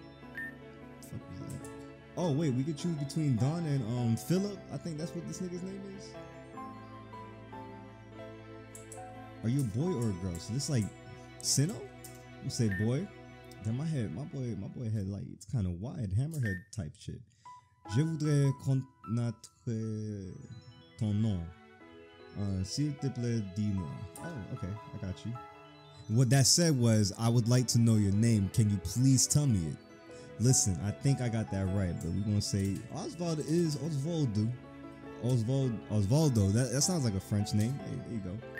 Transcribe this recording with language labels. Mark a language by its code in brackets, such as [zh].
[en] What the fuck is that? Oh wait, we could choose between Don and Philip. I think that's what this nigga's name is. Are you a boy or a girl? So this like Sinnoh? You say boy? Then my boy head like it's kind of wide, hammerhead type shit. [fr] Je voudrais connaître ton nom. S'il te plaît, dis-moi. [en] Oh, okay, I got you. What that said was, I would like to know your name. Can you please tell me it? Listen, I think I got that right, but we're gonna say Oswald is Osvaldo. Osvaldo. That sounds like a French name. Hey, there you go.